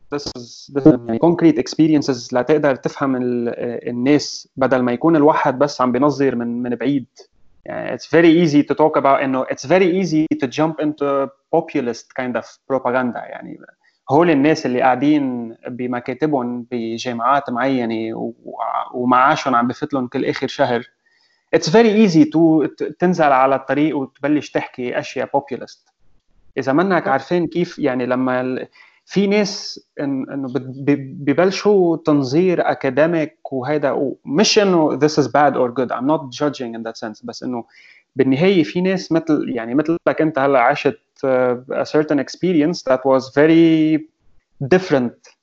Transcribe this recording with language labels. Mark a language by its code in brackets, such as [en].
[en] This is concrete experiences [ar] لتقدر تفهم الناس، بدل ما يكون الواحد بس عم بنظر من بعيد. [en] Yeah, it's very easy to talk about, you know, it's very easy to jump into populist kind of propaganda. [ar] يعني هول الناس اللي قاعدين بمكاتبهم بجامعات معينة ومعاشهم عم بفتلهم كل آخر شهر. [en] It's very easy to [ar] تنزل على الطريق وتبلش تحكي أشياء populist. إذا منك عارفين كيف يعني لما في ناس إنه ببلشوا تنظير أكاديميك وهذا ومش إنه [en] this is bad or good I'm not judging in that sense [ar] بس إنه بالنهاية في ناس مثل يعني مثلك أنت هلا عشت [en] a certain experience that was very different.